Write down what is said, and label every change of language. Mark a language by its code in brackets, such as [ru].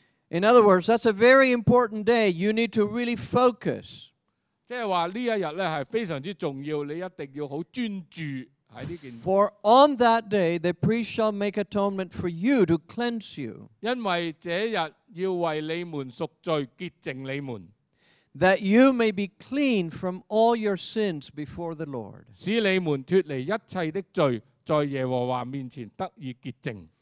[en] In other words, that's a very important day. You need to really focus. [zh] 即是说这一日是非常重要，你一定要很专注。 [en] For on that day, the priest shall make atonement for you to cleanse you. [zh] 因为这日要为你们赎罪，洁净你们。 [en] That you may be clean from all your sins before the Lord. [zh] 使你们脱离一切的罪，在耶和华面前得以洁净。